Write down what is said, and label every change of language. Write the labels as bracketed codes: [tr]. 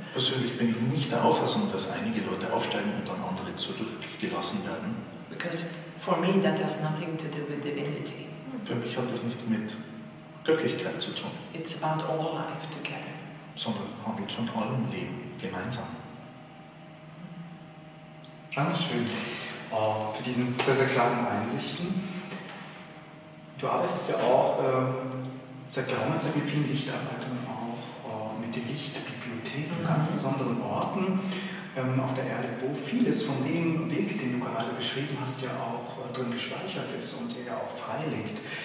[de] Persönlich bin ich nicht der Auffassung, dass einige Leute aufsteigen und dann andere zurückgelassen werden. [en] Because for me that has nothing to do with divinity. [de] Für mich hat das nichts mit Göttlichkeit zu tun. [en] It's about all life together. [de] Sondern handelt von allem Leben gemeinsam. Dankeschön für diesen sehr, sehr klaren Einsichten. Du arbeitest ja auch seit langer Zeit mit vielen Lichtarbeitern, auch mit den Lichtbibliotheken, ganz besonderen Orten auf der Erde, wo vieles von dem Weg, den du gerade beschrieben hast, ja auch drin gespeichert ist und der ja auch freiliegt.